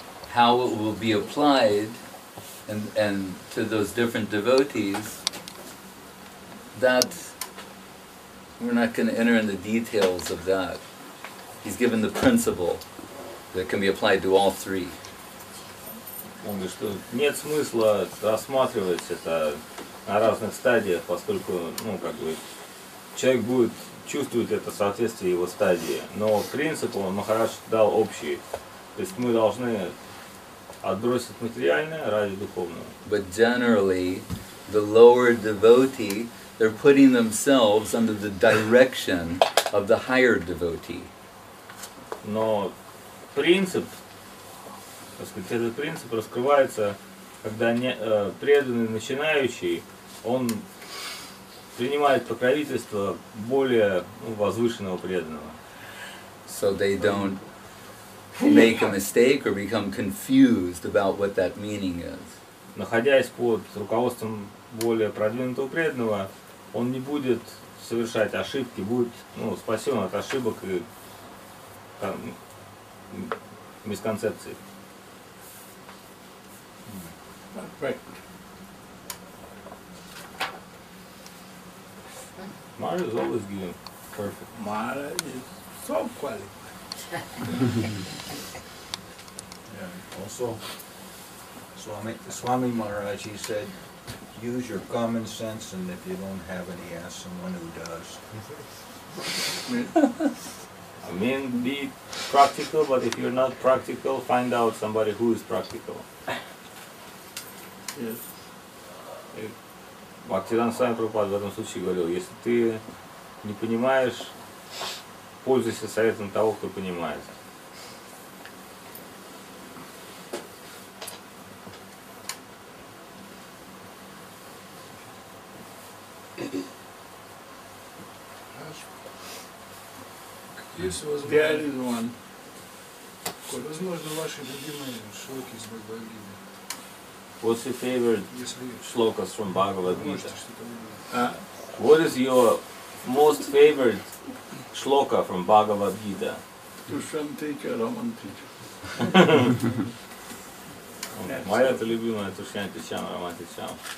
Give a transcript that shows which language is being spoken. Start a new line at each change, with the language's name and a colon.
English: How it will be applied and to those different devotees, that we're not going to enter in the details of that. He's given the principle that can be applied to all three.
Russian: Он говорит, что нет смысла рассматривать это на разных стадиях, поскольку, человек будет чувствовать это соответствие его стадии. Но принцип Махарадж дал общий. То есть мы должны отбросить материальное ради духовного.
English: But generally, the lower devotee, they're putting themselves under the direction of the higher devotee.
Russian: Но принцип, так сказать, этот принцип раскрывается, когда преданный начинающий, он принимает покровительство более возвышенного преданного.
English: So they don't make a mistake or become confused about what that meaning is.
Russian: Находясь под руководством более продвинутого преданного, он не будет совершать ошибки, будет спасен от ошибок и мисконцепций.
English: Perfect. Maharaj is always giving perfect. Maharaj is so qualified. Yeah. Also, Swami Maharaj, he said, use your common sense, and if you don't have any, ask someone who does. I mean, be practical, but if you're not practical, find out somebody who is practical. Yes.
Russian: Бхактиран Сами Прабхупад в этом случае говорил, если ты не понимаешь, пользуйся советом того, кто понимает. Возможно, ваши любимые шлоки из Бхагавад-гиты.
English: What's your favorite shlokas from Bhagavad Gita? What is your most favorite shloka from Bhagavad Gita? Dushan teacher, Raman teacher.
Russian: Моя это любимая Тушьян Тичам, Роман Тичам.